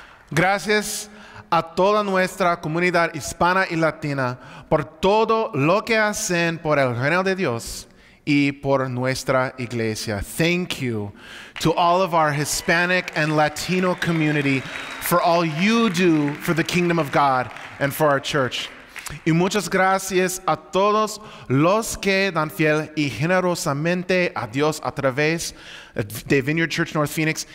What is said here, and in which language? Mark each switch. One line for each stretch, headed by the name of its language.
Spanish: Gracias a toda nuestra comunidad hispana y latina por todo lo que hacen por el reino de Dios y por nuestra iglesia.
English: Thank you to all of our Hispanic and Latino community for all you do for the kingdom of God and for our church.
Spanish: Y muchas gracias a todos los que dan fiel y generosamente a Dios a través de Vineyard Church North Phoenix.